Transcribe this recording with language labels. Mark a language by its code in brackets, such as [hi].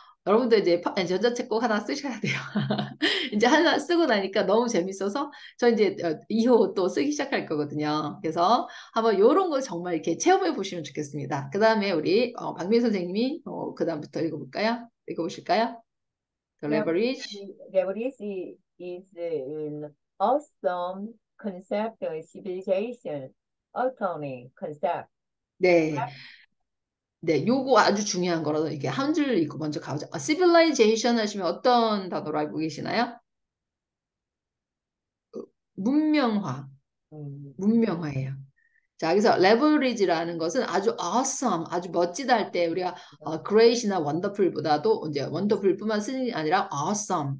[ko] 여러분도 이제 전자책 꼭 하나 쓰셔야 돼요. 이제 하나 쓰고 나니까 너무 재밌어서 저 이제 2호 또 쓰기 시작할 거거든요. 그래서 한번 이런 거 정말 이렇게 체험해 보시면 좋겠습니다. 그 다음에 우리 박민 선생님이 그 다음부터 읽어볼까요? 읽어보실까요? [en] The Leverage. Leverage is an awesome concept of civilization, autonomy concept. [ko] 네. 네, 요거 아주 중요한 거라서 이게 한줄 읽고 먼저 가보자. 아, civilization 하시면 어떤 단어를 알고 계시나요? 문명화. 문명화예요. 자, 그래서 leverage라는 것은 아주 awesome, 아주 멋지다 할때 우리가 great이나 wonderful보다도 이제 wonderful뿐만 쓰는 게 아니라 awesome.